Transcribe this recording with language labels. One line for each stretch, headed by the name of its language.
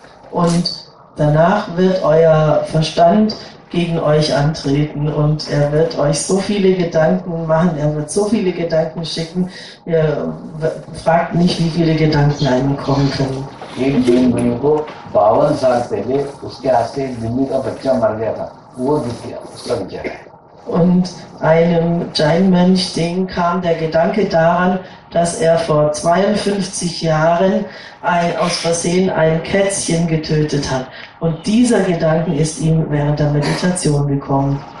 German: Und danach wird euer Verstand gegen euch antreten und er wird euch so viele Gedanken machen, er wird so viele Gedanken schicken. Ihr fragt nicht, wie viele Gedanken einem kommen können.
Hindi: एक जैन मुनि को 52 साल पहले उसके हाथ से बिल्ली का बच्चा मर गया था, वो दिख गया उसका विचार है।
German: Und einem Jain-Mönch, den kam der Gedanke daran, dass er vor 52 Jahren aus Versehen ein Kätzchen getötet hat. Und dieser Gedanke ist ihm während der Meditation gekommen.